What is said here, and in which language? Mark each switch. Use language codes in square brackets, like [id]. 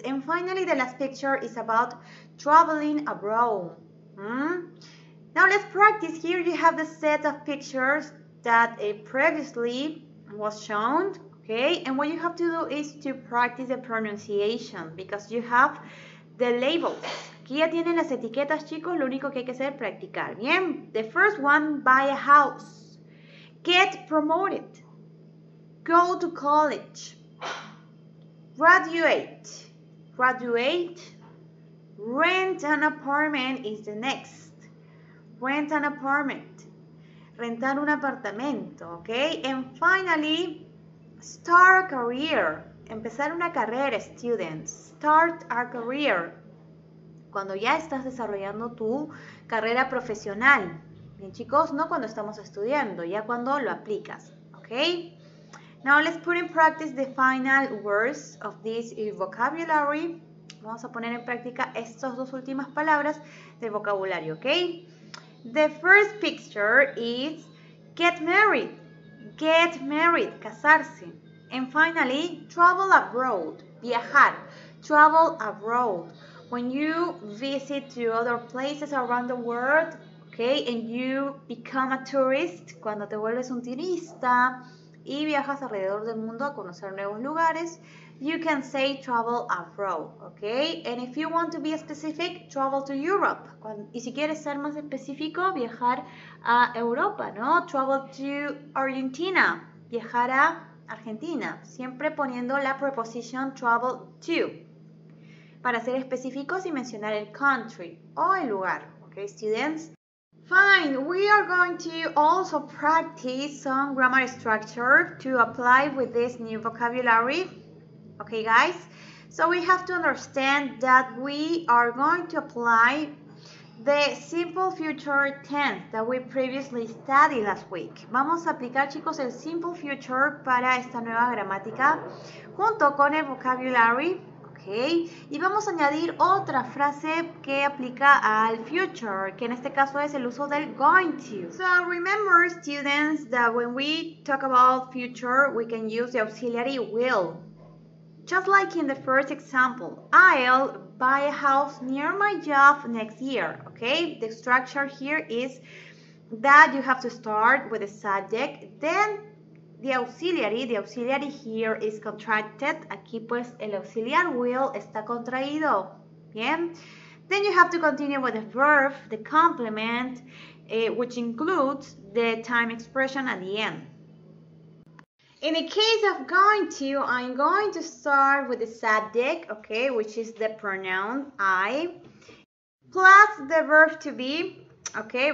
[en] And finally, the last picture is about traveling abroad. Now let's practice. Here you have the set of pictures that previously was shown. Okay, and what you have to do is to practice the pronunciation because you have the labels. [es] Aquí ya tienen las etiquetas, chicos. Lo único que hay que hacer es practicar. [en] Bien, the first one, buy a house. Get promoted. Go to college. Graduate. Graduate. Rent an apartment is the next. Rent an apartment. [es] Rentar un apartamento. [en] Okay, and finally, start a career. [es] Empezar una carrera, [en] students. Start a career. [es] Cuando ya estás desarrollando tu carrera profesional. Bien, chicos, no cuando estamos estudiando, ya cuando lo aplicas. [en] Okay? Now let's put in practice the final words of this vocabulary. [es] Vamos a poner en práctica estas dos últimas palabras del vocabulario, okay? [en] The first picture is get married. Get married, [es] casarse. [en] And finally, travel abroad, [es] viajar. [en] Travel abroad. When you visit to other places around the world, okay, and you become a tourist, [es] cuando te vuelves un turista y viajas alrededor del mundo a conocer nuevos lugares, [en] you can say travel abroad, okay? And if you want to be specific, travel to Europe. [es] Y si quieres ser más específico, viajar a Europa, ¿no? [en] Travel to Argentina, [es] viajar a Argentina. Siempre poniendo la preposición [en] travel to. [es] Para ser específicos y mencionar el country o el lugar, okay, students? [en] Fine, we are going to also practice some grammar structure to apply with this new vocabulary. Okay, guys, so we have to understand that we are going to apply the simple future tense that we previously studied last week. [es] Vamos a aplicar, chicos, el simple future para esta nueva gramática junto con el vocabulary, okay? Y vamos a añadir otra frase que aplica al future, que en este caso es el uso del going to. [en] So remember, students, that when we talk about future, we can use the auxiliary will. Just like in the first example, I'll buy a house near my job next year, okay? The structure here is that you have to start with the subject, then the auxiliary here is contracted. [es] Aquí pues el auxiliar will está contraído, ¿bien? [en] Then you have to continue with the verb, the complement, which includes the time expression at the end. In the case of going to, I'm going to start with the subject, okay, which is the pronoun I, plus the verb to be, okay.